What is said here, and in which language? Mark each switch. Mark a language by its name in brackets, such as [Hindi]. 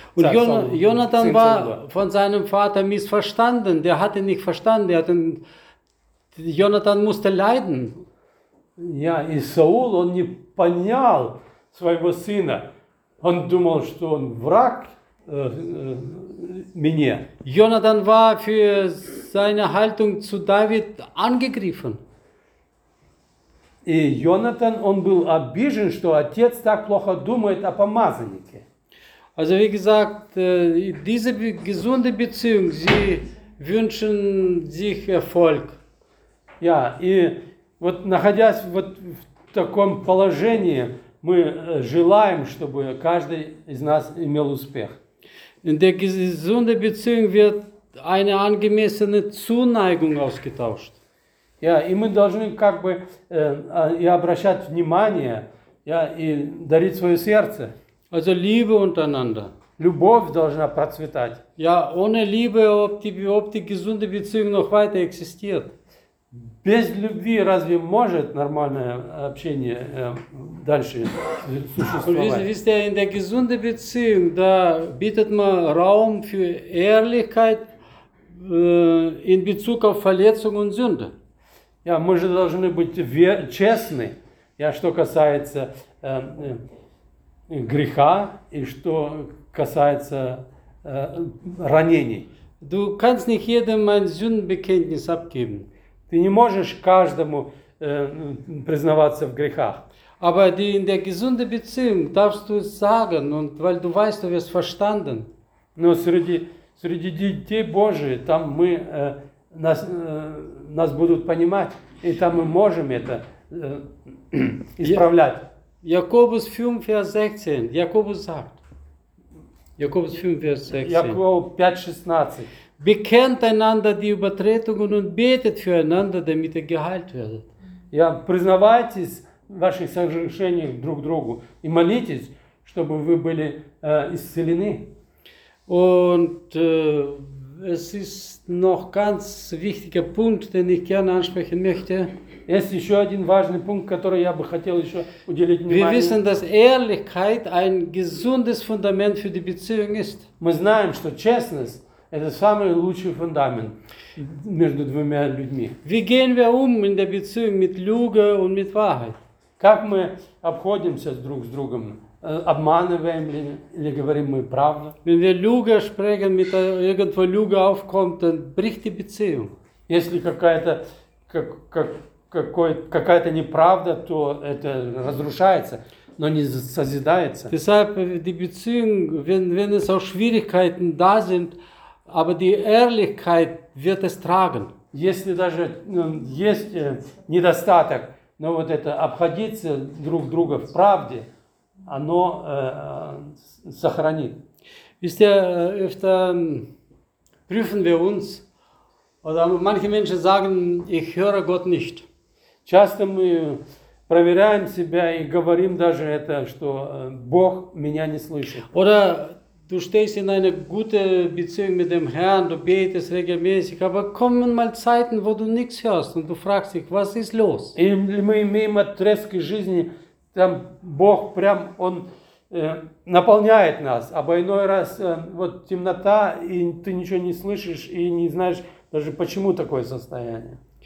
[German] Йонатан [Russian] был [German] von seinem Vater missverstanden. Der hatte nicht verstanden. Йонатан musste leiden. [Russian] Ja, и Саул, он не понял своего сына. Он думал, что он враг мне. [German] Йонатан war für seine Haltung zu David angegriffen. [Russian] И Йонатан, он был обижен, что отец так плохо думает о помазаннике. [German] Also, wie gesagt, diese gesunde Beziehung, sie wünschen sich Erfolg. [Russian] Ja, и вот находясь вот в таком положении, мы желаем, чтобы каждый из нас имел успех. [German] In der gesunden Beziehung wird eine angemessene Zuneigung ausgetauscht. [Russian] Ja, и мы должны как бы и обращать внимание, ja, и дарить свое сердце. [German] Also Liebe untereinander. [Russian] Любовь должна процветать. [German] Ja, ohne Liebe, ob die gesunde Beziehung noch weiter existiert. [Russian] Без любви разве может нормальное общение дальше существовать? [German] Wisst ihr, in der gesunden Beziehung, da bietet man Raum für Ehrlichkeit in Bezug auf Verletzung und Sünde. [Russian] Ja, мы же должны быть честны, ja, что касается греха и что касается ранений. [German] Du kannst nicht jedem ein Sündenbekenntnis abgeben. [Russian] Ты не можешь каждому признаваться в грехах. [German] Aber die in der gesunden Beziehung darfst du sagen, und weil du weißt, du wirst verstanden. [Russian] Но среди детей Божьих, там мы нас будут понимать. И там мы можем это исправлять. [German] Якобус 5, vers 16. Якобус sagt. Якобус 5, vers 16. Якобус 5, 16. Bekennt einander die Übertretungen und betet füreinander, damit ihr geheilt werdet. [Russian] Ja, признавайтесь в ваших согрешениях друг другу и молитесь, чтобы вы были исцелены. [German] Und es ist noch ganz wichtiger Punkt, den ich gerne ansprechen möchte. Es ist [Russian] еще один важный пункт, который я бы хотел еще уделить внимание. [German] Wir wissen, dass Ehrlichkeit ein gesundes Fundament für die Beziehung ist. [Russian] Мы знаем, что честность – это самый лучший фундамент между двумя людьми. [German] Wie gehen wir in der Beziehung mit Lüge und mit Wahrheit? [Russian] Как мы обходимся друг с другом? Обманываем ли или говорим мы правду? [German] Wenn wir Lüge sprechen, mit irgendwo Lüge aufkommt, dann bricht die Beziehung. [Russian] Если какая-то неправда, то это разрушается, но не созидается. [German] Deshalb die Beziehung, wenn es auch Schwierigkeiten da sind, aber die Ehrlichkeit wird es tragen. [Russian] Если даже есть недостаток, но вот это обходиться друг друга в правде, оно сохранит. [German] Wisst ihr, öfter prüfen wir uns, oder manche Menschen sagen, ich höre Gott nicht. [Russian] Часто мы проверяем себя и говорим даже это, что Бог меня не слышит. [German] Oder du stehst in einer guten Beziehung mit dem Herrn, du betest regelmäßig, aber kommen mal Zeiten, wo du nichts hörst und du fragst dich, was ist los? [Russian] Или мы имеем отрезки жизни, там Бог прям, Он наполняет нас, а иной раз вот темнота, и ты ничего не слышишь, и не знаешь даже, почему такое состояние.